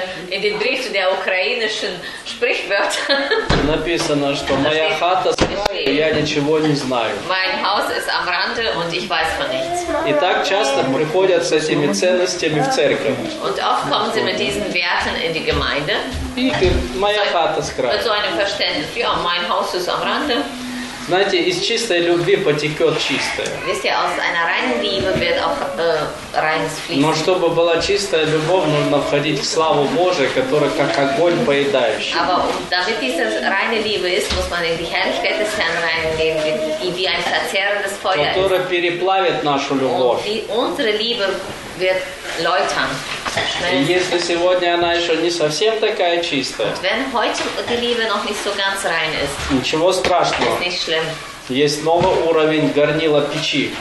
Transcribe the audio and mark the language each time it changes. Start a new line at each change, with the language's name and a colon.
German: In den Briefen der ukrainischen Sprichwörter
Russian: написано, что моя хата с краю, я ничего не знаю.
German: Mein Haus ist am Rande und ich weiß von nichts.
Russian: И так часто приходят с этими ценностями в церковь.
German: Und oft kommen sie mit diesen Werten in die Gemeinde.
Russian: И говорят, моя хата с краю.
German: Mit so einem Verständnis, ja, mein Haus ist am Rande.
Russian: Знаете, из чистой любви потекет чистое.
German: Wisst ihr, aus einer reinen Liebe wird auch reines fließen.
Russian: Но чтобы была чистая любовь, нужно входить в славу Божию, которая как огонь поедающий.
German: Aber damit diese reine Liebe ist, muss man in die Herrlichkeit des Herrn reingehen, и wie ein verzehrendes Feuer ist.
Russian: Которая переплавит нашу любовь.
German: Und unsere Liebe wird läutern.
Russian: И если сегодня она еще не совсем такая чистая,
German: und wenn heute die Liebe noch nicht so ganz rein ist,
Russian: ничего страшного.
German: Ist nicht schlimm.
Russian: Есть новый уровень горнила печи.